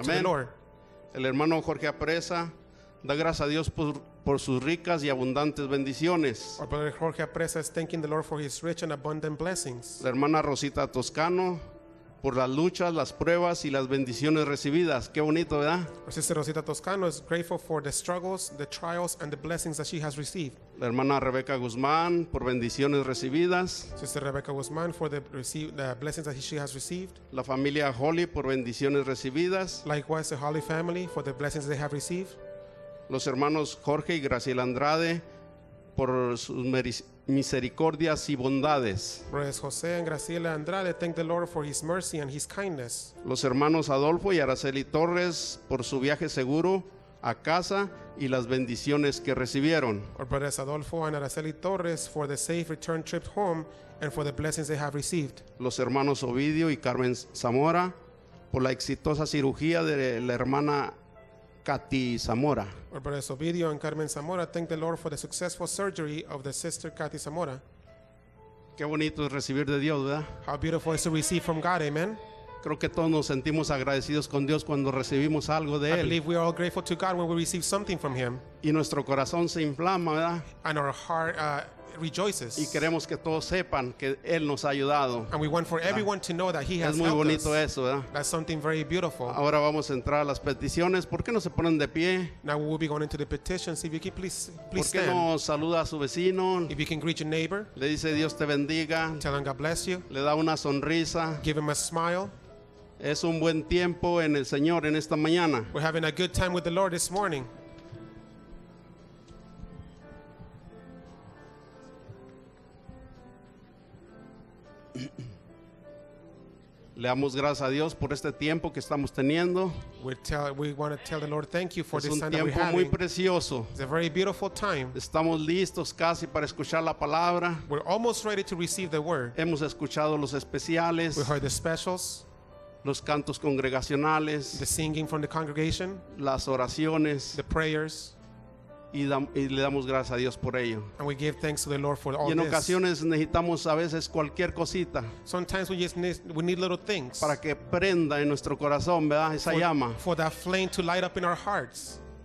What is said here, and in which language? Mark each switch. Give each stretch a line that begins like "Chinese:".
English: amen. To the Lord.
Spanish: El hermano Jorge Apresa da gracias a Dios por sus ricas y abundantes bendiciones.
English: Our brother Jorge Apresa is thanking the Lord for his rich and abundant blessings.
Spanish: La hermana Rosita Toscano por las luchas, las pruebas y las bendiciones recibidas. Qué bonito, ¿verdad?
English: Our sister Rosita Toscano is grateful for the struggles, the trials, and the blessings that she has received.
Spanish: La hermana Rebeca Guzmán por bendiciones recibidas.
English: Sister Rebeca Guzmán for the blessings that she has received.
Spanish: La familia Holly por bendiciones recibidas.
English: Likewise, the Holly family for the blessings they have received.
Spanish: Los hermanos Jorge y Graciela Andrade por sus misericordias y bondades.
English: Brothers José and Graciela Andrade thank the Lord for his mercy and his kindness.
Spanish: Los hermanos Adolfo y Araceli Torres por su viaje seguro a casa y las bendiciones que recibieron.
English: Our brothers Adolfo and Araceli Torres for the safe return trip home and for the blessings they have received.
Spanish: Los hermanos Ovidio y Carmen Zamora por la exitosa cirugía de la hermana Katy Zamora.
English: Our brothers Ovidio and Carmen Zamora thank the Lord for the successful surgery of the sister Katy Zamora.
Spanish: Qué bonito es recibir de Dios, ¿verdad?
English: How beautiful is to receive from God, amen.
Spanish: Creo que todos nos sentimos agradecidos con Dios cuando recibimos algo de él.
English: I believe we are all grateful to God when we receive something from him.
Spanish: Y nuestro corazón se inflama, ¿verdad?
English: And our heart rejoices.
Spanish: Y queremos que todos sepan que él nos ha ayudado.
English: And we want for everyone to know that he has helped us.
Spanish: Es muy bonito eso, ¿verdad?
English: That's something very beautiful.
Spanish: Ahora vamos a entrar a las peticiones. ¿Por qué no se ponen de pie?
English: Now we'll be going into the petitions. If you can please stand.
Spanish: ¿Por qué no saluda a su vecino?
English: If you can greet your neighbor.
Spanish: Le dice Dios te bendiga.
English: Tell him God bless you.
Spanish: Le da una sonrisa.
English: Give him a smile.
Spanish: Es un buen tiempo en el Señor en esta mañana.
English: We're having a good time with the Lord this morning.
Spanish: Le damos gracias a Dios por este tiempo que estamos teniendo.
English: We want to tell the Lord thank you for this time that we're having.
Spanish: Es un tiempo muy precioso.
English: It's a very beautiful time.
Spanish: Estamos listos casi para escuchar la palabra.
English: We're almost ready to receive the word.
Spanish: Hemos escuchado los especiales.
English: We heard the specials.
Spanish: Los cantos congregacionales.
English: The singing from the congregation.
Spanish: Las oraciones.
English: The prayers.
Spanish: Y le damos gracias a Dios por ello.
English: And we give thanks to the Lord for all this.
Spanish: Y en ocasiones necesitamos a veces cualquier cosita.
English: Sometimes we need little things.
Spanish: Para que prenda en nuestro corazón, ¿verdad? Esa llama.
English: For that flame to light up in our hearts.